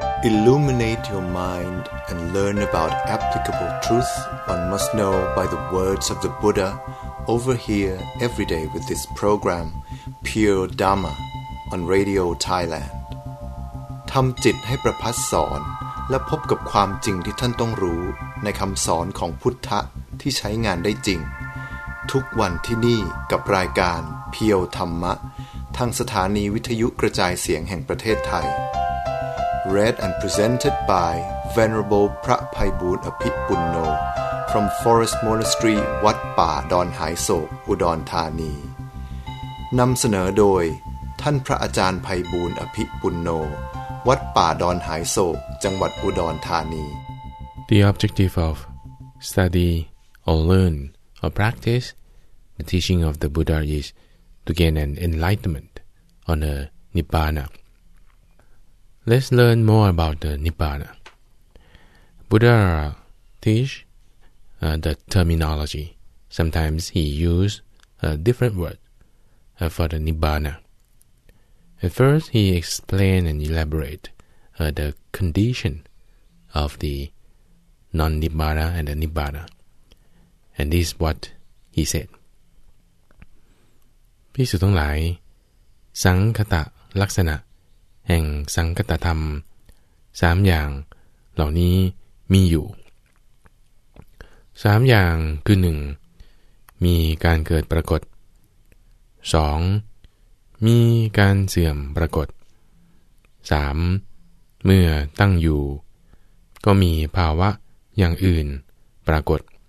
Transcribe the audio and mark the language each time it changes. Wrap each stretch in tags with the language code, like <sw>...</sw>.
<en>Illuminate your mind and learn about applicable truth one must know by the words of the Buddha over here every day with this program, Pure Dharma, on Radio Thailand.</en> <th>ทำจิตให้ประพัสสอนและพบกับความจริงที่ท่านต้องรู้ในคำสอนของพุทธะที่ใช้งานได้จริงทุกวันที่นี่กับรายการเพียวธรรมะทางสถานีวิทยุกระจายเสียงแห่งประเทศไทย</th> <en>Read and presented by Venerable</en> <th>พระไพบูลย์อภิปุณโญ from Forest Monastery วัดป่าดอนหายโศกอุดรธานีนำเสนอโดยท่านพระอาจารย์ไพบูลย์อภิปุณโญวัดป่าดอนหายโศกจังหวัดอุดรธานี</th> <en>The objective of study or learn or practice the teaching of the Buddha is to gain an enlightenment on a Nibbana. Let's learn more about the Nibbana. Buddha teach the terminology. Sometimes he used a different word for the Nibbana. At first, he explained and elaborated the condition of the non-Nibbana and the Nibbana. And this is what he said.</en> <th>ภิกษุทั้งหลายสังคตะลักษณะแห่งสังคตธรรมสามอย่างเหล่านี้มีอยู่ สามอย่างคือหนึ่งมีการเกิดปรากฏสองมีการเสื่อมปรากฏสามเมื่อตั้งอยู่ก็มีภาวะอย่างอื่นปรากฏ</th>